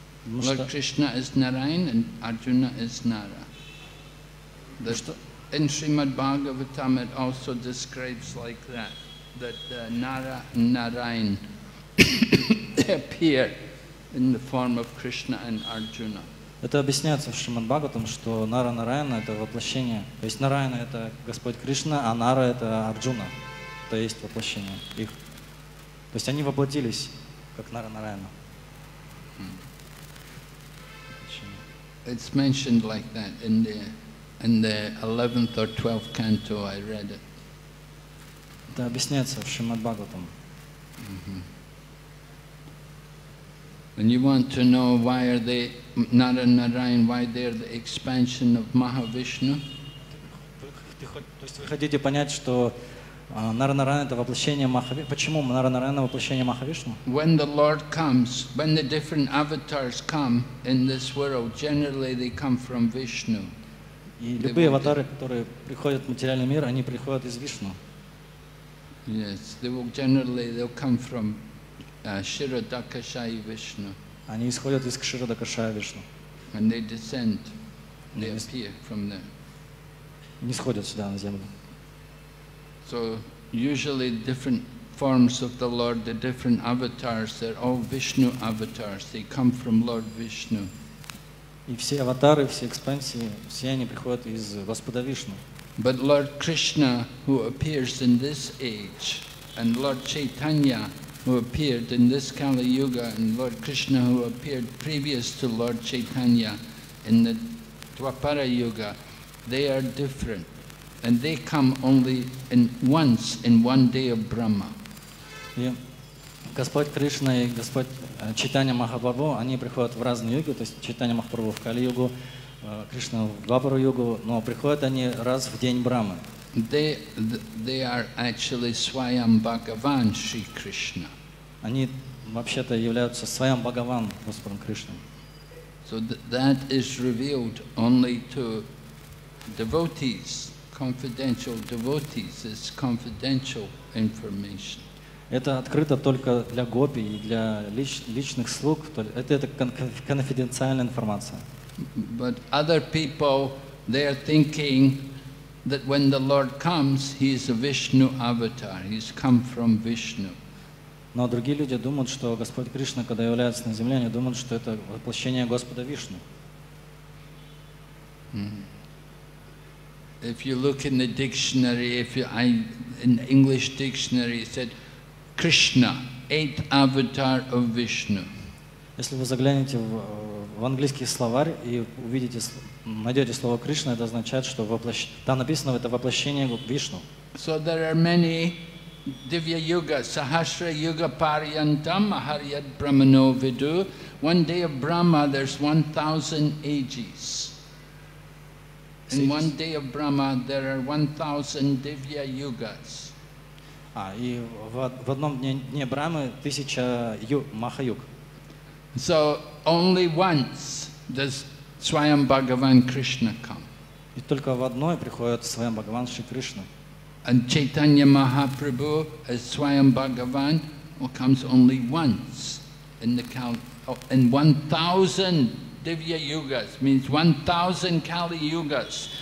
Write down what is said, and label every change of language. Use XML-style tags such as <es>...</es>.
<en>Lord Krishna is Narayan and Arjuna is Nara. In Srimad Bhagavatam it also describes like that, that Nara and Narayan appear in the form of Krishna and Arjuna.</en> <ru>Это объясняется в Шримад Бхагаватам, что Нара Нараяна — это воплощение. То есть Нараяна — это Господь Кришна, а Нара — это Арджуна. То есть воплощение их. То есть они воплотились, как Нара Нараяна.</ru> <en>It's mentioned like that in the 11th or 12th canto, I read it.</en> <ru>Это объясняется в Шримад Бхагаватам.</ru> <en>And you want to know why are they Nara Narayan, why they are the expansion of Mahavishnu?</en> <ru>То есть вы хотите понять, что Нара Нараяна это воплощение Махавишну? Почему Нара Нараяна воплощение Махавишну?</ru> <en>When the Lord comes, when the different avatars come in this world, generally they come from Vishnu.</en> <ru>И любые аватары, которые приходят в материальный мир, они приходят из Вишну.</ru> <en>Yes, they will generally they'll come from Shiradakashaya Vishnu.</en> <ru>Они исходят из Кширадакашая Вишну.</ru> <en>And they descend, they appear from there.</en> <ru>Они сходят сюда на землю.</ru> <en>So usually different forms of the Lord, the different avatars, they're all Vishnu avatars. They come from Lord Vishnu.</en> <ru>И все аватары, все экспансии, все они приходят из Господа Вишну.</ru> <en>But Lord Krishna, who appears in this age, and Lord Chaitanya, who appeared in this Kali Yuga, and Lord Krishna, who appeared previous to Lord Chaitanya in the Dwapara Yuga, they are different. And they come only in once in one day of Brahma.</en> <ru>Господь Кришна и Господь Чайтанья Махапрабху, они приходят в разные юги, то есть Чайтанья Махапрабху в Кали Югу, Кришна в Двапара Югу, но приходят они раз в день Брахмы.</ru> <en>They are actually Swayam Bhagavan Shri Krishna.</en> <ru>Они вообще-то являются Свайам Бхагаван Господом Кришной.</ru> <en>So that is revealed only to devotees, confidential devotees. It's confidential information.</en> <ru>Это открыто только для гопи и для личных слуг. Это конфиденциальная информация.</ru> <en>But other people, they are thinking that when the Lord comes, he is a Vishnu avatar. He's come from Vishnu.</en> <ru>Но другие люди думают, что Господь Кришна, когда является на земле, они думают, что это воплощение Господа Вишну.</ru> <en>If you look in the dictionary, in the English dictionary, it said Krishna, eighth avatar of Vishnu.</en> <ru>Если вы заглянете в английский словарь и увидите найдете слово Кришна, это означает, что там написано, это воплощение Вишну.</ru> <en>So there are many Divya Yuga,</en> <sa>Sahasra Yuga Paryantam, Maharyad Brahmano Vidu.</sa> <en>One day of Brahma, there's 1,000 ages. In one day of Brahma, there are 1,000 Divya Yugas.</en> <ru>А, и в одном дне Брахмы 1,000 Маха-юг.</ru> <en>So only once does Swayam Bhagavan Krishna come.</en> <ru>И только в одной приходит Свайам Бхагаван Шри Кришна.</ru> <en>And Chaitanya Mahaprabhu as Swayam Bhagavan comes only once in the in 1,000 Divya Yugas, means 1,000 Kali Yugas.</en>